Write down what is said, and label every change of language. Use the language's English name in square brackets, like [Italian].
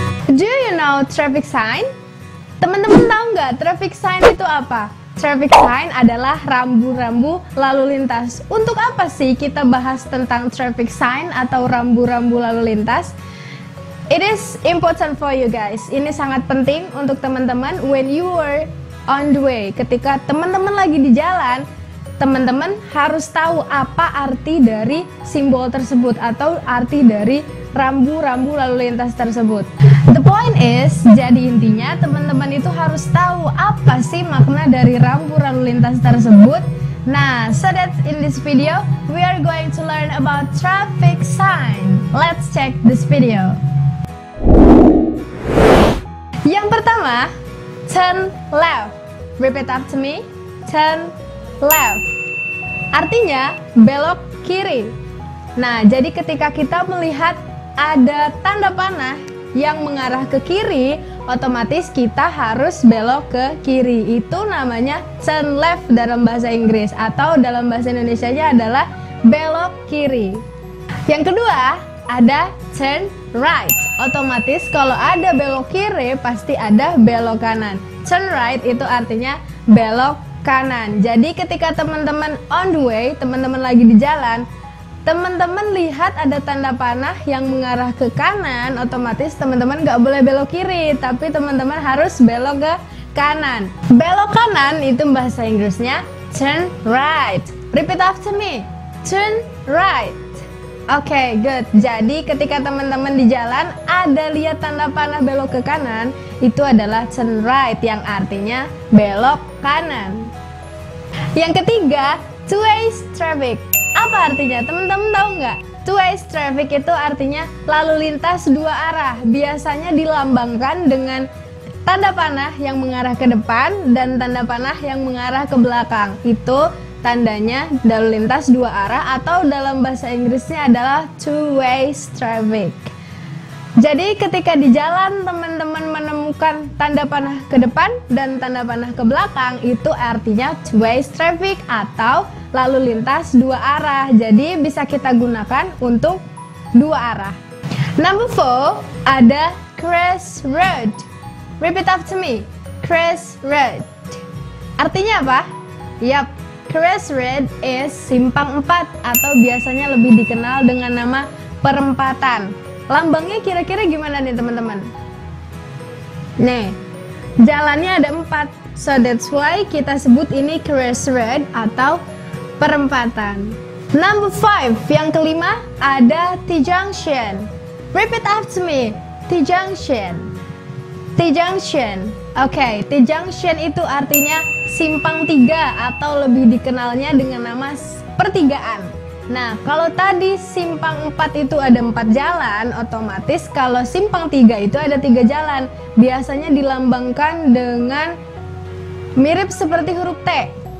[English] Do you know traffic sign? [Indonesian] Teman-teman tahu nggak traffic sign itu apa? Traffic sign adalah rambu-rambu lalu lintas. Untuk apa sih kita bahas tentang traffic sign atau rambu-rambu lalu lintas? [English] It is important for you guys. [Indonesian] Ini sangat penting untuk teman-teman [English] when you are on the way. [Indonesian] Ketika teman-teman lagi di jalan, teman-teman harus tahu apa arti dari simbol tersebut atau arti dari rambu-rambu lalu lintas tersebut. [English] The point is, [Indonesian] jadi intinya teman-teman itu harus tahu apa sih makna dari rambu lalu lintas tersebut. [English] Nah, so that in this video, we are going to learn about traffic sign. Let's check this video. [Indonesian] Yang pertama, [English] turn left. Repeat after me, turn left. [Indonesian] Artinya, belok kiri. Nah, jadi ketika kita melihat ada tanda panah yang mengarah ke kiri, otomatis kita harus belok ke kiri. Itu namanya turn left dalam bahasa Inggris, atau dalam bahasa Indonesianya adalah belok kiri. Yang kedua, ada turn right. Otomatis kalau ada belok kiri, pasti ada belok kanan. Turn right itu artinya belok kanan. Jadi ketika teman-teman [English] on the way, [Indonesian] teman-teman lagi di jalan, teman-teman lihat ada tanda panah yang mengarah ke kanan, otomatis teman-teman nggak boleh belok kiri, tapi teman-teman harus belok ke kanan. Belok kanan itu bahasa Inggrisnya turn right. [English] Repeat after me, turn right. [Indonesian] Okay, good. Jadi ketika teman-teman di jalan ada lihat tanda panah belok ke kanan, itu adalah turn right yang artinya belok kanan. Yang ketiga, two-way traffic. Apa artinya? Teman-teman tahu nggak? Two-way traffic itu artinya lalu lintas dua arah. Biasanya dilambangkan dengan tanda panah yang mengarah ke depan dan tanda panah yang mengarah ke belakang. Itu tandanya lalu lintas dua arah, atau dalam bahasa Inggrisnya adalah two-way traffic. Jadi ketika di jalan teman-teman menemukan tanda panah ke depan dan tanda panah ke belakang, itu artinya two-way traffic atau lalu lintas dua arah. Jadi bisa kita gunakan untuk dua arah. [English] Number 4, [Indonesian] ada crossroad. [English] Repeat after me, crossroad. [Indonesian] Artinya apa? Yap, crossroad is simpang 4 atau biasanya lebih dikenal dengan nama perempatan. Lambangnya kira-kira gimana nih teman-teman? Nih, jalannya ada 4. [English] So that's why [Indonesian] kita sebut ini crossroad atau perempatan. [English] Number 5, [Indonesian] yang kelima, ada T-junction. [English] Repeat after me, T-junction. T-junction. [Indonesian] Okay, T-junction itu artinya simpang 3 atau lebih dikenalnya dengan nama pertigaan. Nah, kalau tadi simpang 4 itu ada 4 jalan, otomatis kalau simpang 3 itu ada 3 jalan. Biasanya dilambangkan dengan mirip seperti huruf T.